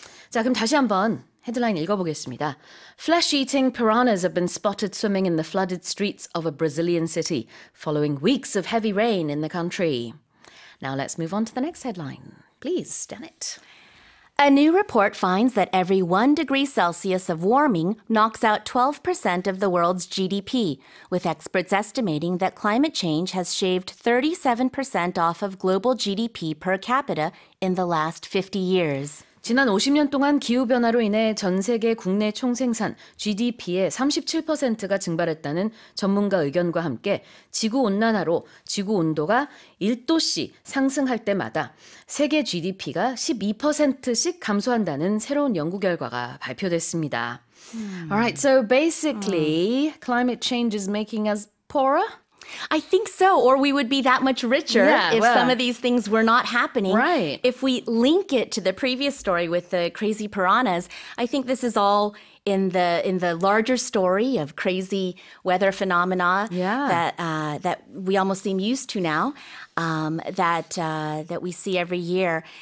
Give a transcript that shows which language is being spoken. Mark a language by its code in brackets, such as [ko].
[ko] 자, 그럼 다시 한번 헤드라인 읽어보겠습니다. [en] Flesh-eating piranhas have been spotted swimming in the flooded streets of a Brazilian city following weeks of heavy rain in the country. Now let's move on to the next headline. Please, Janet. A new report finds that every 1 degree Celsius of warming knocks out 12% of the world's GDP, with experts estimating that climate change has shaved 37% off of global GDP per capita in the last 50 years. [ko] 지난 50년 동안 기후변화로 인해 전 세계 국내 총생산 GDP의 37%가 증발했다는 전문가 의견과 함께 지구온난화로 지구온도가 1도씨 상승할 때마다 세계 GDP가 12%씩 감소한다는 새로운 연구 결과가 발표됐습니다. [en] All right, so basically, climate change is making us poorer? I think so, or we would be that much richer some of these things were not happening. Right. If we link it to the previous story with the crazy piranhas, I think this is all in the larger story of crazy weather phenomena that we almost seem used to now, that we see every year.